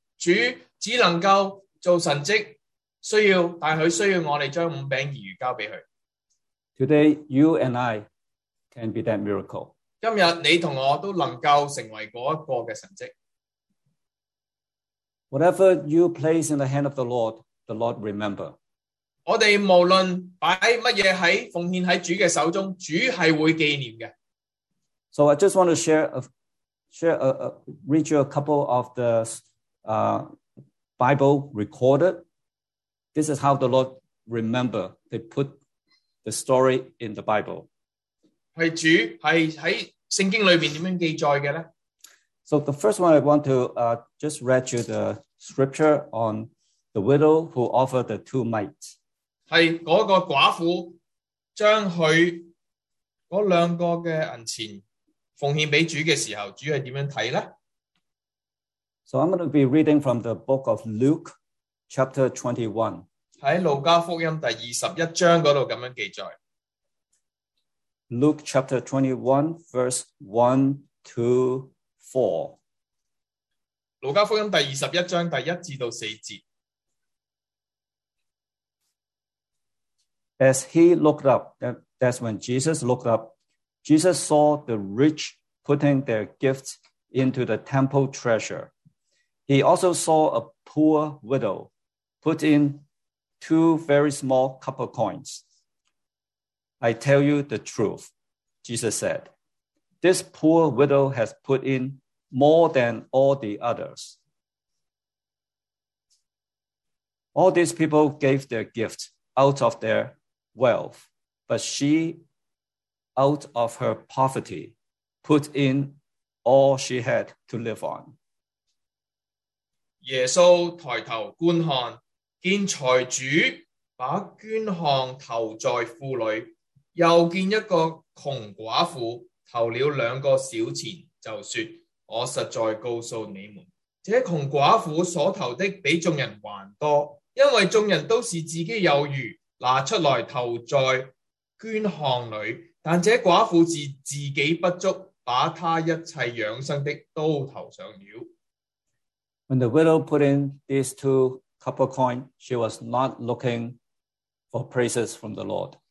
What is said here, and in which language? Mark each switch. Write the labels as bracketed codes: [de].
[zh] 主只能够做神迹，但他需要我们将五饼二鱼交给他。 [en] Today, you and I can be that miracle. [zh] 今天你和我都能够成为那个的神迹。 [en] Whatever you place in the hand of the Lord remember. [zh] 我们无论放什么在奉献在主的手中，主是会纪念的。 [en] So I just want to read you a couple of the Bible recorded. This is how the Lord remember. They put the story in the Bible. [zh] 是主是在圣经里面怎样记载的呢？ [en] So the first one I want to just read you the scripture on the widow who offered the two mites. [zh] 是那个寡妇将她那两个的银钱奉献给主的时候，主是怎样看呢？ [en] So I'm going to be reading from the book of Luke, chapter 21. [zh] 在路加福音第21章那里这样记载。 [en] Luke chapter 21, verse 1-4. [zh] 路加福音第21章第1至到4节。 [en] As he looked up, that's when Jesus looked up, Jesus saw the rich putting their gifts into the temple treasure. He also saw a poor widow put in two very small copper coins. I tell you the truth, Jesus said, this poor widow has put in more than all the others. All these people gave their gifts out of their wealth, but she, out of her poverty, put in all she had to live on. [zh] 耶稣抬头观看，见财主把捐项投在库里，又见一个穷寡妇投了两个小钱，就说：我实在告诉你们，这穷寡妇所投的比众人还多，因为众人都是自己有余，拿出来投在捐项里，但这寡妇是自己不足，把她一切养生的都投上了。 [en] When the widow put in these two copper coins, she was not looking for praises from the Lord.